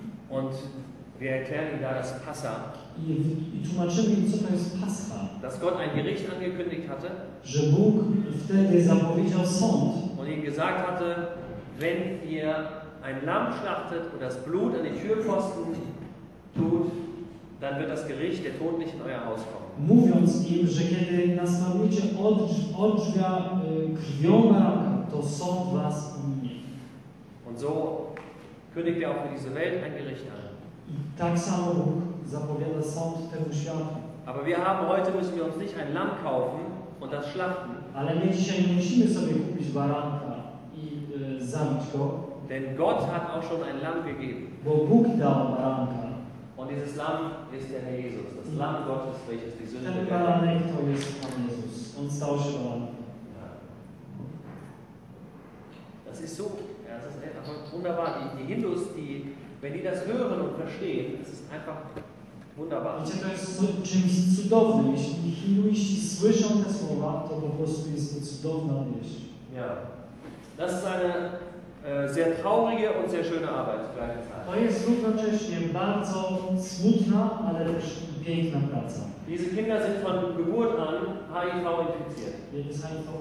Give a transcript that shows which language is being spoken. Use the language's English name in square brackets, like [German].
[German] Und wir erklären ihm da das Passa. [Polish] I tłumaczymy im, co to jest Pascha. [German] Dass Gott ein Gericht angekündigt hatte. [Polish] Że Bóg wtedy zapowiedział sąd. [German] Und ihm gesagt hatte, wenn ihr ein Lamm schlachtet und das Blut an den Türpfosten tut, dann wird das Gericht der Tod nicht in euer Haus kommen. [Polish] Mówiąc im, że kiedy nastawicie od drzwia krwią baranka, to sąd was ominie. [German] Und so kündigt er auch für diese Welt ein Gericht an. [Polish] I tak samo Bóg zapowiada sąd temu światu. [German] Aber wir haben heute müssen wir uns nicht ein Lamm kaufen und das schlachten. [Polish] Ale my dzisiaj nie musimy sobie kupić baranka i zabić go. [German] Denn Gott hat auch schon ein Lamm gegeben. [Polish] Bo Bóg dał baranka. [German] Und dieses Lamm ist der Herr Jesus, das Lamm Gottes, welches die Sünde bekommt. [Polish] Ten baranek to jest Pan Jezus. On stał się baranek. [German] Das ist so, das ist einfach wunderbar. Die Hindus, die, wenn die das hören und verstehen, das ist einfach wunderbar. [Polish] Wiecie, to jest czymś cudownym. Jeśli hinduiści słyszą te słowa, to po prostu jest to cudowna wieść. [German] Ja. Das ist eine sehr traurige und sehr schöne Arbeit. [Polish] To jest równocześnie bardzo smutna, ale też piękna praca. [German] Diese Kinder sind von Geburt an HIV infiziert.